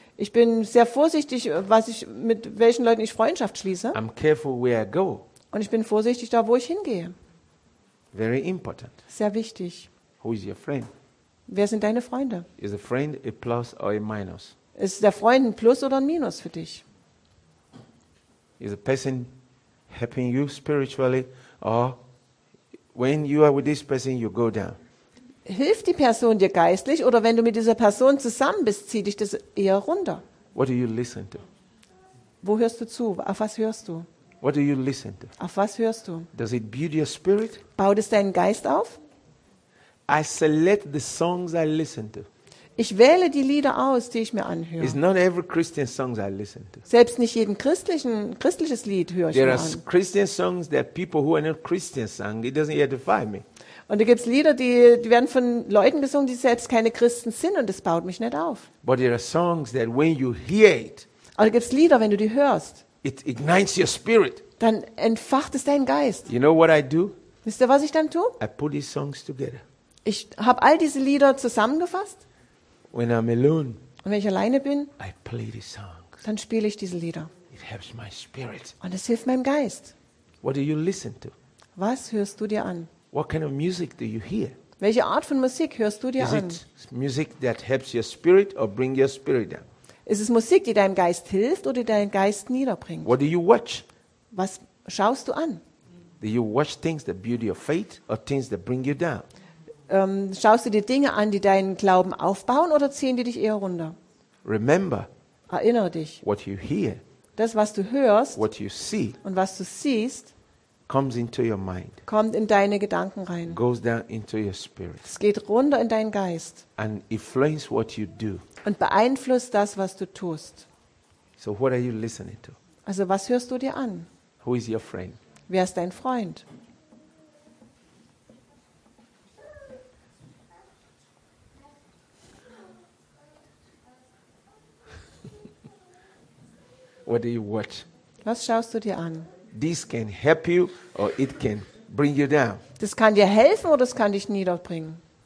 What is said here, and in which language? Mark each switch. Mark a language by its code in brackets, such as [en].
[de] Ich bin sehr vorsichtig, was ich mit welchen Leuten ich Freundschaft schließe. [en] I'm careful where I go. [de] Und ich bin vorsichtig da, wo ich hingehe. [en] Very important. [de] Sehr wichtig. [en] Who is your friend? [de] Wer sind deine Freunde? [en] Is a friend a plus or a minus? [de] Ist der Freund ein Plus oder ein Minus für dich? [en] Is a person helping you spiritually or when you are with this person you go down? [de] Hilft die Person dir geistlich oder wenn du mit dieser Person zusammen bist, zieht dich das eher runter? [en] What do you listen to? [de] Wo hörst du zu? Auf was hörst du? [en] What do you listen to? [de] Auf was hörst du? [en] Does it build your spirit? [de] Baut es deinen Geist auf? [en] I select the songs I listen to. [de] Ich wähle die Lieder aus, die ich mir anhöre. [en] It's not every Christian songs I listen to. [de] Selbst nicht jeden christliches Lied höre ich [en] there [de] mir an. [en] There are Christian songs that people who are not Christians sang. It doesn't edify me. [de] Und da gibt's Lieder, die werden von Leuten gesungen, die selbst keine Christen sind, und das baut mich nicht auf. [en] But there are songs that when you hear it. [de] Aber da gibt's Lieder, wenn du die hörst. [en] It ignites your spirit. [de] Dann entfacht es deinen Geist. [en] You know what I do? [de] Wisst ihr, was ich dann tue? [en] I put these songs together. [de] Ich habe all diese Lieder zusammengefasst. [en] When I'm alone, [de] und wenn ich alleine bin, [en] I play these songs. [de] Dann spiele ich diese Lieder. [en] It helps my spirit. [de] Und es hilft meinem Geist. [en] What do you listen to? [de] Was hörst du dir an? [en] What kind of music do you hear? [de] Welche Art von Musik hörst du dir [en] is [de] an? [en] It music that helps your spirit or bring your spirit down? [de] Ist es Musik, die deinem Geist hilft oder die deinen Geist niederbringt? [en] What do you watch? [de] Was schaust du an? [en] Do you watch things that build your faith or things that bring you down? [de] Schaust du dir Dinge an, die deinen Glauben aufbauen oder ziehen die dich eher runter? [en] Remember, [de] erinnere dich, [en] what you hear, [de] das, was du hörst, [en] what you see, [de] und was du siehst, [en] comes into your mind, [de] kommt in deine Gedanken rein, [en] goes down into your spirit, [de] es geht runter in deinen Geist, [en] and influence what you do, [de] und beeinflusst das, was du tust. [en] So what are you listening to? [de] Also was hörst du dir an? [en] Who is your friend? [de] Wer ist dein Freund? [en] What do you watch? [de] Was schaust du dir an? [en] This can help you or it can bring you down. [de] Das kann dir helfen oder es kann dich niederbringen.